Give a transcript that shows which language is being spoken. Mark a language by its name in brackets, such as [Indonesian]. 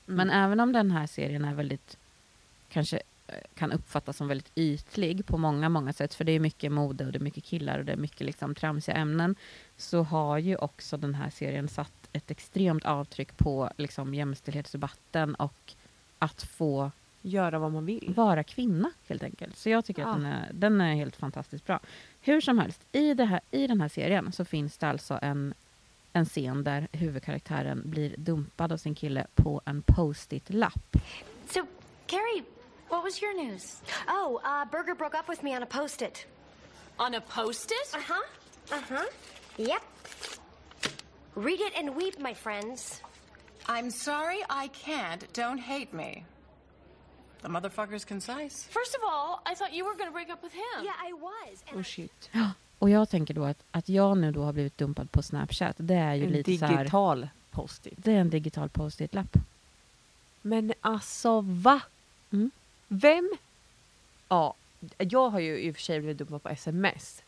[Swedish] Men även om den här serien är väldigt, kanske kan uppfattas som väldigt ytlig på många, många sätt, för det är mycket mode och det är mycket killar och det är mycket liksom tramsiga ämnen, så har ju också den här serien satt ett extremt avtryck på liksom jämställdhetsdebatten och att få göra vad man vill. Vara kvinna helt enkelt. Så jag tycker att den är helt fantastiskt bra. Hur som helst, i den här serien så finns det alltså en scen där huvudkaraktären blir dumpad av sin kille på en post-it-lapp. [English] Så, Carrie, what was your news? Oh, Burger broke up with me on a post-it. On a post-it? Uh-huh. Uh-huh. Yep. Read it and weep, my friends. I'm sorry I can't. Don't hate me. The motherfucker's concise. First of all, I thought you were going to break up with him. Yeah, I was. Oh, shit. [Swedish] Och jag tänker då att jag nu då har blivit dumpad på Snapchat. Det är ju en lite så här... En digital post-it. Det är en digital post-it-lapp. Men alltså, va? Mm. Vem? Ja, jag har ju i och för sig blivit dumpad på sms.